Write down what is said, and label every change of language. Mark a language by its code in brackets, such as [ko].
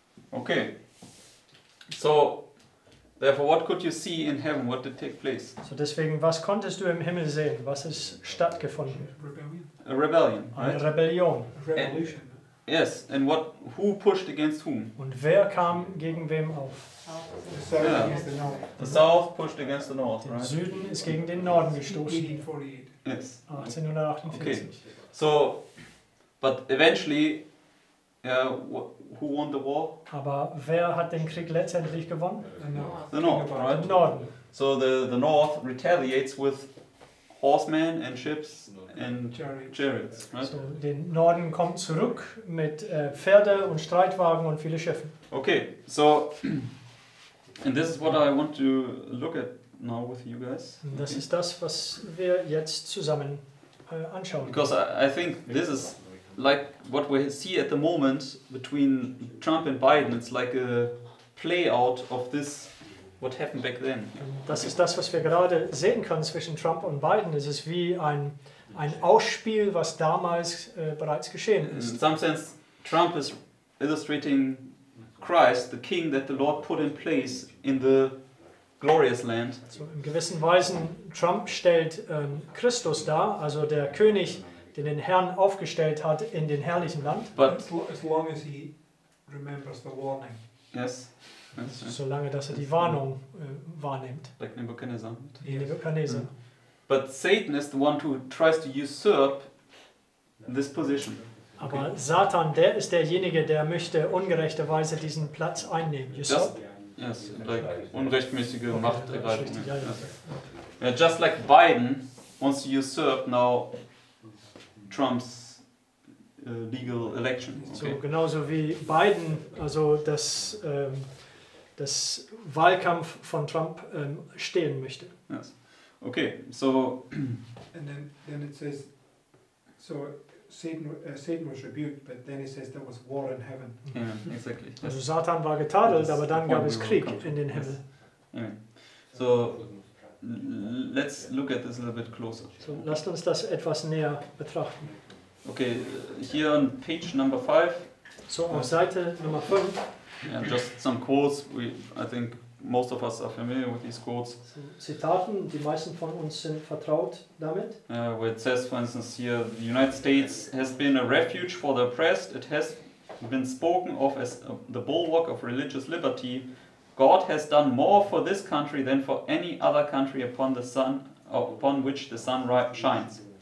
[en] Okay, so therefore, what could you see in heaven? What did take place? [de] So deswegen, was konntest du im Himmel sehen? Was ist stattgefunden? [en] A rebellion. [de] Eine [en] right? [de] Rebellion. Revolution. [en] And, yes, and what? Who pushed against whom? [de] Und wer kam gegen wem auf? [en] The south, yeah. Against the north. The south pushed against the north. Der right? [de] Süden ist gegen den Norden gestoßen. [en] 1848. Yes. 1848. Okay. So, but eventually. Who won the war? [de] Aber wer hat den Krieg letztendlich gewonnen? [en] The North. The North, right? The Norden. So the North retaliates with horsemen and ships and chariots, right? [de] So den Norden kommt zurück mit Pferde und Streitwagen und viele Schiffen. [en] Okay, so and this is what I want to look at now with you guys. [de] Das ist das, was wir jetzt zusammen anschauen. [en] Because I think this is like what we see at the moment between Trump and Biden, it's like a play out of this what happened back then. [de] Das ist das, was wir gerade sehen können zwischen Trump und Biden. Es ist wie ein Ausspiel, was damals bereits geschehen ist. [en] In some sense, Trump is illustrating Christ, the King that the Lord put in place in the glorious land. [de] So in gewissen Weisen, Trump stellt Christus dar, also der König, den den Herrn aufgestellt hat in den herrlichen Land. [en] But as long as he remembers the warning. Yes. [de] Solange, dass er die Warnung wahrnimmt. [en] Like Nebuchadnezzar. Yes. Nebuchadnezzar. Mm. But Satan is the one who tries to usurp this position. [de] Aber okay. Satan, der ist derjenige, der möchte ungerechterweise diesen Platz einnehmen. [en] Just, yes, like [de] unrechtmäßige [en] okay. [de] Machtergreifung. Ja. [en] Yeah, just like Biden wants to usurp now Trump's legal election. Okay. [de] So genauso wie Biden, also das das Wahlkampf von Trump stehlen möchte. [en] Yes. Okay. So. And then it says, so Satan was rebuked, but then it says there was war in heaven. Yeah, exactly. Yes. [de] Also Satan war getadelt, aber dann gab es Krieg in den Himmel. [en] Yes. Anyway. So let's look at this a little bit closer. [de] So, lasst uns das etwas näher betrachten. [en] Okay, here on page number 5. [de] So, auf Seite Nummer 5. [en] Yeah, just some quotes. I think most of us are familiar with these quotes. So, Zitaten, die meisten von uns sind vertraut damit. Where it says, for instance, here, the United States has been a refuge for the oppressed. It has been spoken of as the bulwark of religious liberty. God has done more for this country than for any other country upon the sun, upon which the sun shines.